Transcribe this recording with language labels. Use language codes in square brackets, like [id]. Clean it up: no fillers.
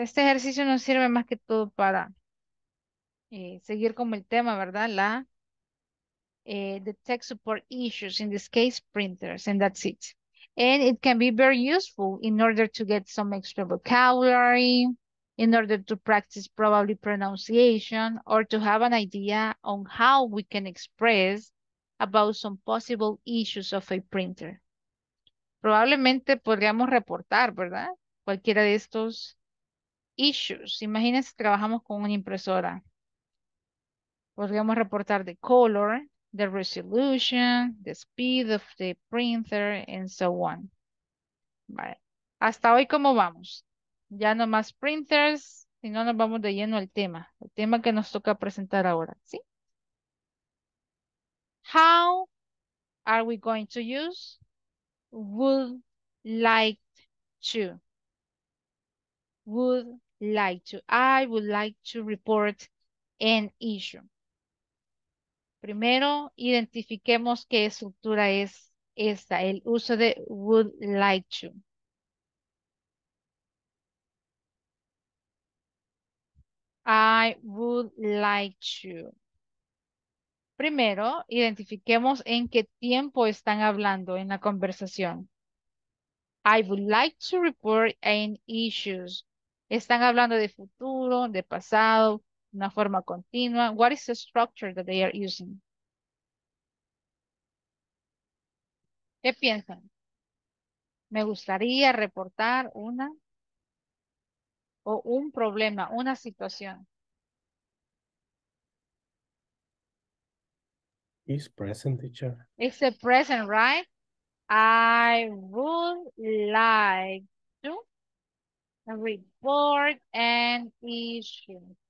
[es] Este ejercicio nos sirve más que todo para seguir como el tema, ¿verdad? [en] La the tech support issues, in this case, printers, and that's it. And it can be very useful in order to get some extra vocabulary, in order to practice probably pronunciation, or to have an idea on how we can express about some possible issues of a printer. [es] Probablemente podríamos reportar, ¿verdad? Cualquiera de estos issues. Imagínense si trabajamos con una impresora. Podríamos reportar [en] the color, the resolution, the speed of the printer, and so on. [es] Vale. Hasta hoy, ¿cómo vamos? Ya no más printers, si no nos vamos de lleno al tema. El tema que nos toca presentar ahora, ¿sí? [en] How are we going to use would like to? Would like to. I would like to report an issue. [es] Primero, identifiquemos qué estructura es esta, el uso de would like to. [en] I would like to. [es] Primero, identifiquemos en qué tiempo están hablando en la conversación. [en] I would like to report an issue. [es] Están hablando de futuro, de pasado, una forma continua. [en] What is the structure that they are using? [es] ¿Qué piensan? Me gustaría reportar una o un problema, una situación. [en] Is present, teacher. It's a present, right? I would like to report an issue.